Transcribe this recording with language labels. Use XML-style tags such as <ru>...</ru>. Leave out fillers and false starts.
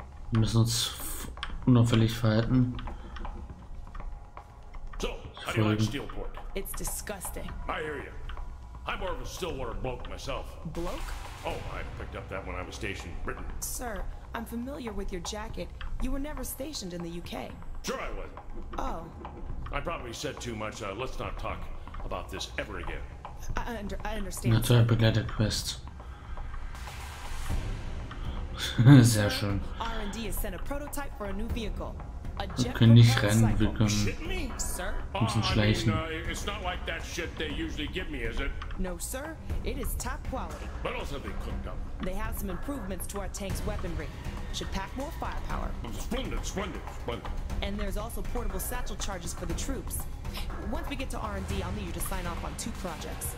<de>Wir müssen uns unauffällig verhalten.</de> <en>So, how do you like Steelport? It's disgusting. I hear you. I'm more of a Stillwater bloke myself. Bloke? Oh, I picked up that when I was stationed in Britain. Sir, I'm familiar with your jacket. You were never stationed in the UK. Sure I wasn't. Oh. I probably said too much. Let's not talk about this ever again. I understand. Not to have a better quest.</en> <de>Sehr schön.</de> <en>R&D has sent a prototype for a new vehicle.</en> <de>Wir können nicht rennen, wir müssen schleichen.</de> <en>It's not like that shit they usually give me, is it? No, sir. It is top quality. But also they cooked up. They have some improvements to our tank's weaponry. Should pack more firepower. Splendid. And there's also portable satchel charges for the troops. Once we get to R&D, I'll need you to sign off on two projects.</en>